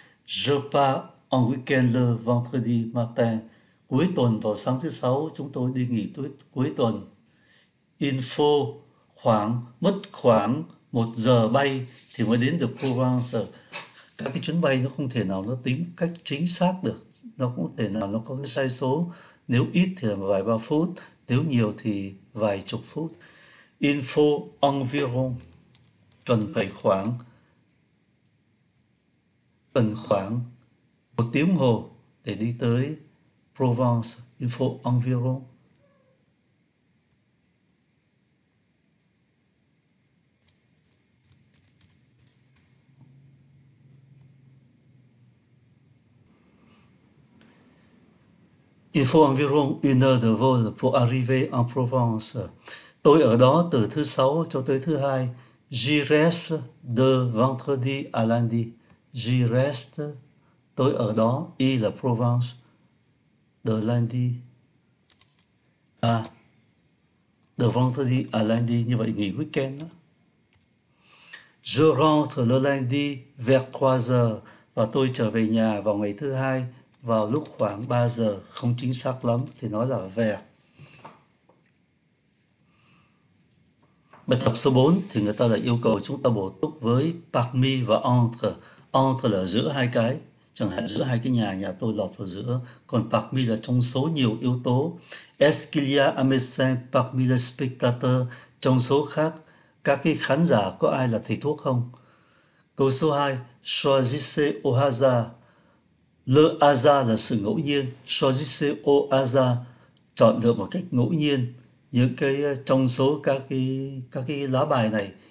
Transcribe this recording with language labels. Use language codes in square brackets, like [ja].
[fr] Je pars en week-end le vendredi matin. [vi] Cuối tuần vào sáng thứ sáu, chúng tôi đi nghỉ cuối tuần. Info khoảng mất khoảng 1 giờ bay thì mới đến được Provence. Các cái chuyến bay nó không thể nào nó tính cách chính xác được, nó cũng thể nào nó có cái sai số. Nếu ít thì là vài ba phút, nếu nhiều thì vài chục phút. Info environ cần phải khoảng cần khoảng 1 tiếng hồ để đi tới Provence. Info environ. [fr] Il faut environ 1 heure de vol pour arriver en Provence. [vi] Tôi ở đó từ thứ sáu cho tới thứ hai. [fr] J'y reste de vendredi à lundi. J'y reste. [vi] Tôi ở đó. Y là Provence. [fr] De lundi. À. De vendredi à lundi. [vi] Như vậy nghỉ weekend đó. [fr] Je rentre le lundi vers 3 giờ. [vi] Và tôi trở về nhà vào ngày thứ hai vào lúc khoảng 3 giờ, không chính xác lắm thì nói là về. Bài tập số 4 thì người ta lại yêu cầu chúng ta bổ túc với parmi và entre. Entre là giữa hai cái, chẳng hạn giữa hai cái nhà, nhà tôi lọt vào giữa. Còn parmi là trong số nhiều yếu tố. [fr] Est-ce qu'il y a un médecin parmi les spectateurs? [vi] Trong số khác, các cái khán giả có ai là thầy thuốc không? Câu số 2, [fr] choisissez au hasard. Le hasard [vi] là sự ngẫu nhiên, choisissez au hasard, chọn lựa một cách ngẫu nhiên những cái trong số các cái lá bài này.